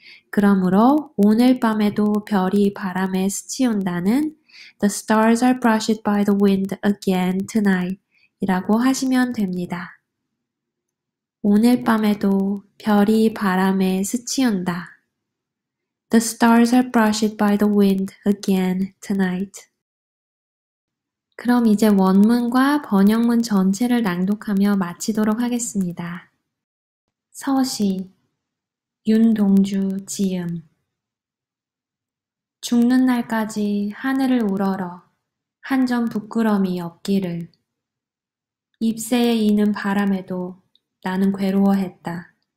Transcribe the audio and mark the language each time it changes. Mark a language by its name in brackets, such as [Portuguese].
[Korean] 그러므로 오늘 밤에도 별이 바람에 스치운다는 [English] the stars are brushed by the wind again tonight [Korean] 이라고 하시면 됩니다. 오늘 밤에도 별이 바람에 스치운다. [English] The stars are brushed by the wind again tonight. [Korean] 그럼 이제 원문과 번역문 전체를 낭독하며 마치도록 하겠습니다. 서시 윤동주 지음 죽는 날까지 하늘을 우러러 한 점 부끄러움이 없기를 잎새에 이는 바람에도 나는 괴로워했다.